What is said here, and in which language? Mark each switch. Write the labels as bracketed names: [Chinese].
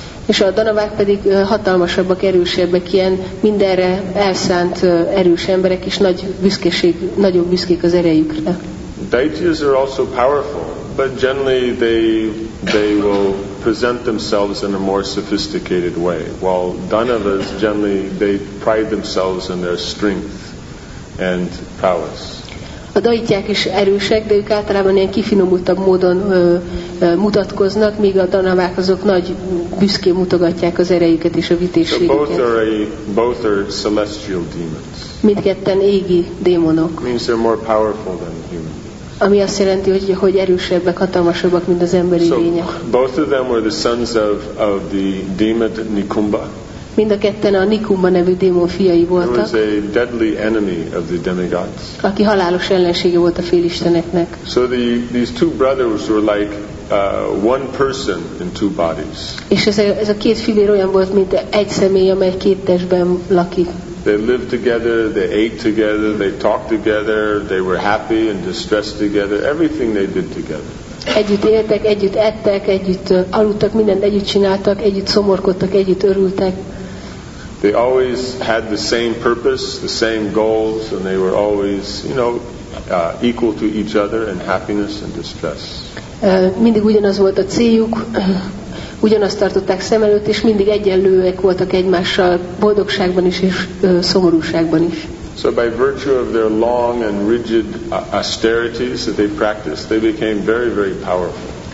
[Hungarian] És a Dhanavák pedig hatalmasabbak, erősebbek, ilyen mindenre elszánt erős emberek, és nagy büszkeség, nagyon büszkék az erejükre. [English] Daityas are also powerful, but generally they will present themselves in a more sophisticated way, while Dhanavas generally they pride themselves in their strength and prowess. [Hungarian] A daityák is erősek, de ők általában ilyen kifinomultabb módon mutatkoznak, míg a Dhanavák azok nagy büszkén mutogatják az erejüket és a vitézségüket. [English] So both are celestial demons. [Hungarian] Mindketten égi démonok. [English] Means they're more powerful than the human beings. [Hungarian] Ami azt jelenti, hogy erősebbek, hatalmasabbak, mint az emberi lények. [English] So both of them were the sons of the demon Nikumbha. [Hungarian] Mind a ketten a Nikumbha nevű démon fiai voltak. [English] Who was a deadly enemy of the demigods. [Hungarian] Aki halálos ellensége volt a félisteneknek. [English] So these two brothers were like one person in two bodies. [Hungarian] És ez a két fivér olyan volt, mint egy személy, amely két testben lakik. [English] They lived together, they ate together, they talked together, they were happy and distressed together, everything they did together. [Hungarian] Együtt éltek, együtt ettek, együtt aludtak, mindent együtt csináltak, együtt szomorkodtak, együtt örültek. [English] They always had the same purpose, the same goals, and they were always, you know, equal to each other in happiness and distress. [Hungarian] Mindig ugyanaz volt a céljuk, ugyanazt tartották szem előtt, és mindig egyenlőek voltak egymással boldogságban is és szomorúságban is. [English] So by virtue of their long and rigid austerities that they practiced, they became very, very powerful.